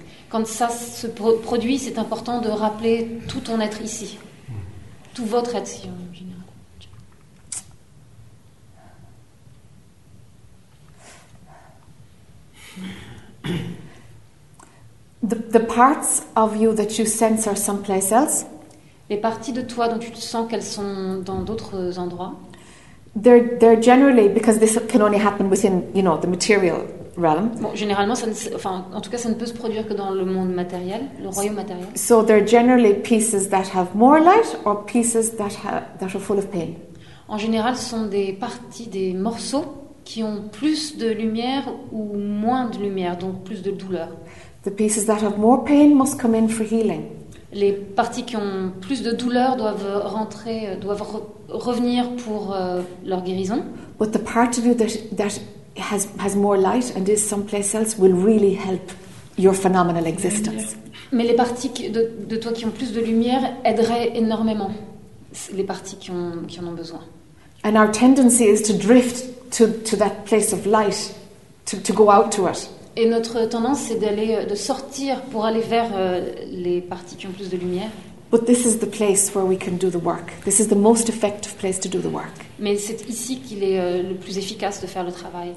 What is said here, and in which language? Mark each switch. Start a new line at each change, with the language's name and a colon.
French: Quand ça se produit, c'est important de rappeler tout ton être ici. Tout votre être ici en général.
English: The parts of you that you sense are someplace else.
French: Les parties de toi dont tu sens qu'elles sont dans d'autres endroits.
English: They're generally because this can only happen within, you know, the material realm.
French: Bon, généralement, ça ne, enfin, en tout cas, ça ne peut se produire que dans le monde matériel, le royaume matériel.
English: So there are generally pieces that have more light or pieces that are full of pain.
French: En général, ce sont des parties, des morceaux qui ont plus de lumière ou moins de lumière, donc plus de douleur.
English: The pieces that have more pain must come in for healing.
French: Les parties qui ont plus de douleur doivent rentrer, doivent revenir pour leur guérison.
English: But the part of you that has more light and is someplace else will really help your phenomenal existence.
French: Mais les parties de toi qui ont plus de lumière aideraient énormément. Les parties qui en ont besoin.
English: And our tendency is to drift to that place of light, to go out to it.
French: Et notre tendance c'est d'aller de sortir pour aller vers les parties qui ont plus de lumière.
English: But this is the place where we can do the work. This is the most effective place to do the work.
French: Mais c'est ici qu'il est le plus efficace de faire le travail.